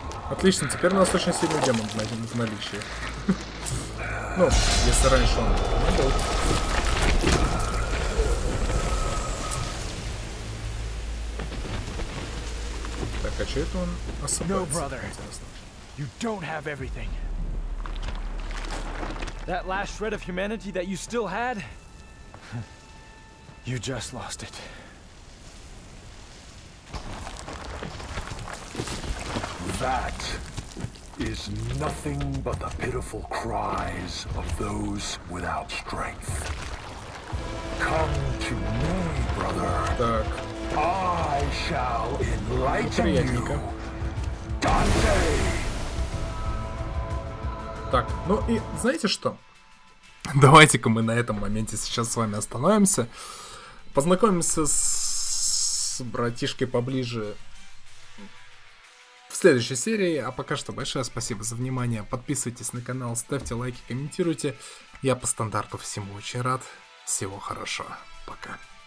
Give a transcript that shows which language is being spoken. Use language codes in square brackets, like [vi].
[ru] Отлично, теперь у нас очень сильный демон в наличии. Ну, если раньше он был. Так, а что это он осыпается? [en] No, brother. You don't have everything. That last shred of humanity that you still had, you just lost it. That is nothing but the pitiful cries of those without strength. Come to me, brother. [ru] Так. [en] I shall enlighten you, Данте! [ru] Так, ну и знаете что? Давайте-ка мы на этом моменте сейчас с вами остановимся. Познакомимся с братишкой поближе в следующей серии. А пока что большое спасибо за внимание. Подписывайтесь на канал, ставьте лайки, комментируйте. Я по стандарту всему очень рад. Всего хорошего. Пока.